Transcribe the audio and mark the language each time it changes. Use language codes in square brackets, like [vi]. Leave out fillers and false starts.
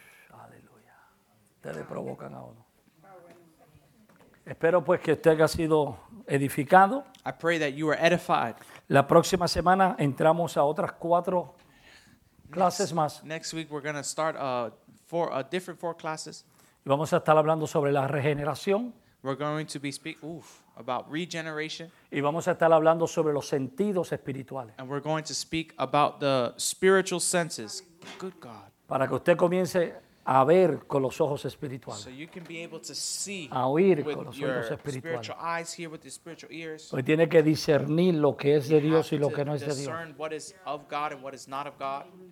[es] Aleluya. Te le provocan a uno. Espero pues que usted haya sido edificado. [en] I pray that you are edified. [es] La próxima semana entramos a otras cuatro clases más. [en] Next week we're going to start four classes. [es] Y vamos a estar hablando sobre la regeneración. [en] We're going to be about regeneration. [es] Y vamos a estar hablando sobre los sentidos espirituales. [en] And we're going to speak about the spiritual senses. Good God. [es] Para que usted comience a ver con los ojos espirituales. [en] So you can be able to see [es] a oír con los ojos espirituales. [en] Spiritual eyes, hear with your spiritual ears. [es] Hoy tiene que discernir lo que es de Dios y lo que no es de Dios. [en] Discern what is of God and what is not of God.